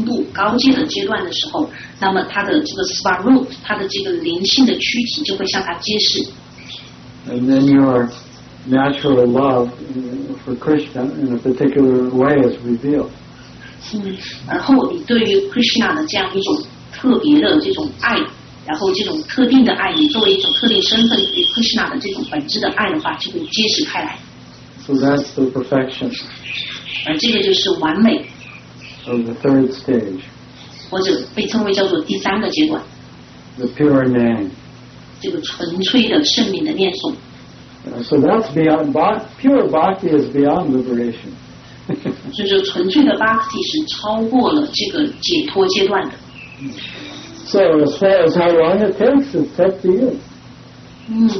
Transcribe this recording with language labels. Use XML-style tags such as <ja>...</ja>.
<zh>而当一个人在念诵当中已经走到非常进步、高阶的阶段的时候，那么他的这个 swarup， 他的这个灵性的躯体就会向他揭示。And</zh> <en>then your natural love for Krishna in a particular way is revealed.</en> <zh>然后你对于 Krishna 的这样一种特别的这种爱，然后这种特定的爱，你作为一种特定身份对 Krishna 的这种本质的爱的话，就会揭示开来。</zh> <en>So that's the perfection.</en> <zh>而这个就是完美。</zh> <en>Of the third stage.</en> <zh>或者被称为叫做第三个阶段。</zh> <en>The pure name.</en> <zh>这个纯粹的圣名的念诵。</zh> <en>So that's beyond pure bhakti is beyond liberation.</en> <zh>就是纯粹的 bhakti 是超过了这个解脱阶段的。</zh> <en>So as far as how long it takes, it's up to you.</en>